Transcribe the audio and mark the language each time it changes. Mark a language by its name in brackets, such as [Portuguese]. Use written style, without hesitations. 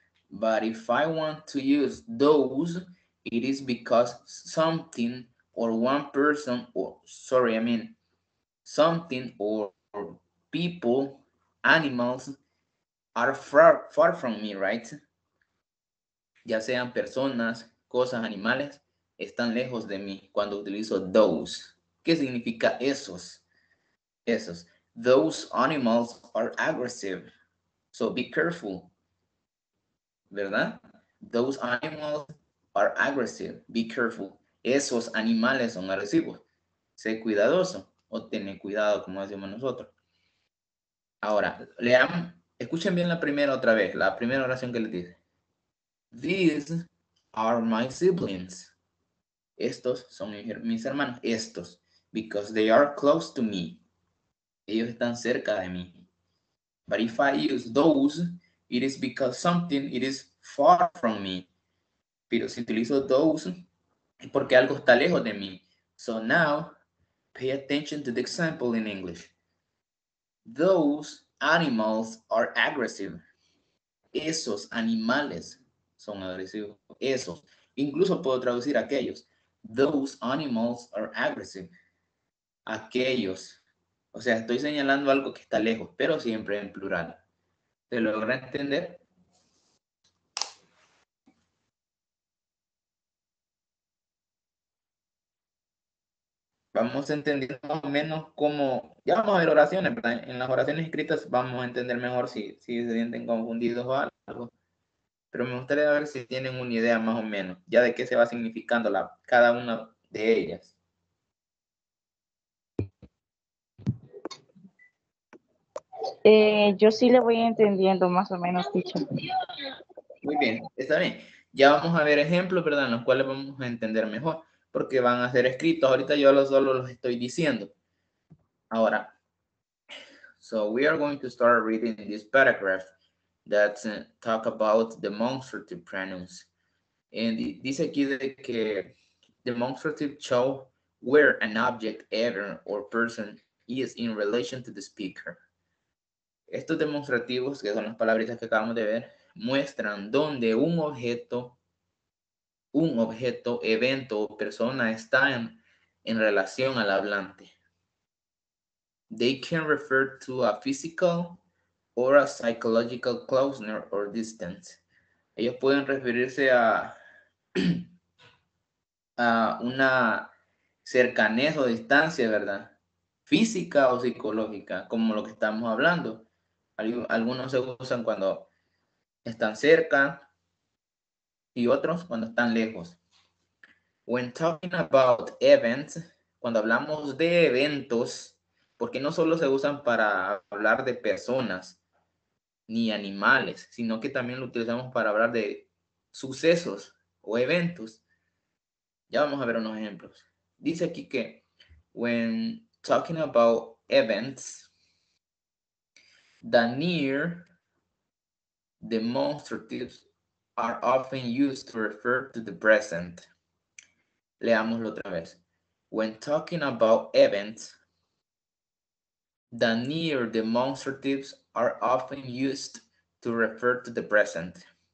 [English] But if I want to use those, it is because something or one person, or sorry, I mean, something or people, animals, are far from me, right? [Spanish] Ya sean personas, cosas, animales, están lejos de mí cuando utilizo those. ¿Qué significa esos? Esos. [English] Those animals are aggressive. So be careful. ¿Verdad? Those animals are aggressive. Be careful. [Spanish] Esos animales son agresivos. Sé cuidadoso o ten cuidado, como decimos nosotros. Ahora, escuchen bien la primera otra vez, la primera oración que les dice. [English] These are my siblings. [Spanish] Estos son mis hermanos. Estos. [English] Because they are close to me. [Spanish] Ellos están cerca de mí. [English] But if I use those, it is because something it is far from me. [Spanish] Pero si utilizo those, es porque algo está lejos de mí. [English] So now, pay attention to the example in English. Those animals are aggressive. [Spanish] Esos animales son agresivos. Esos. Incluso puedo traducir aquellos. Those animals are aggressive. Aquellos. O sea, estoy señalando algo que está lejos, pero siempre en plural. ¿Se logra entender? Vamos a entender más o menos cómo... Ya vamos a ver oraciones, ¿verdad? En las oraciones escritas vamos a entender mejor si se sienten confundidos o algo. Pero me gustaría ver si tienen una idea más o menos, ya de qué se va significando cada una de ellas. Yo sí le voy entendiendo más o menos, dicho. Muy bien, está bien. Ya vamos a ver ejemplos, ¿verdad? En los cuales vamos a entender mejor. Porque van a ser escritos. Ahorita yo solo los estoy diciendo. Ahora. [English] So we are going to start reading this paragraph that talk about demonstrative pronouns. And [Spanish] dice aquí de que [English] demonstrative show where an object, ever, or person is in relation to the speaker. [Spanish] Estos demostrativos, que son las palabritas que acabamos de ver, muestran dónde un objeto, evento o persona está en relación al hablante. [English] They can refer to a physical or a psychological closeness or distance. [Spanish] Ellos pueden referirse a una cercanez o distancia, ¿verdad? Física o psicológica, como lo que estamos hablando. Algunos se usan cuando están cerca, y otros cuando están lejos. [English] When talking about events, [Spanish] cuando hablamos de eventos, porque no solo se usan para hablar de personas ni animales, sino que también lo utilizamos para hablar de sucesos o eventos. Ya vamos a ver unos ejemplos. Dice aquí que [English] when talking about events, the near demonstratives are often used to refer to the present. [Spanish] Leámoslo otra vez. [English] When talking about events, the near demonstratives are often used to refer to the present.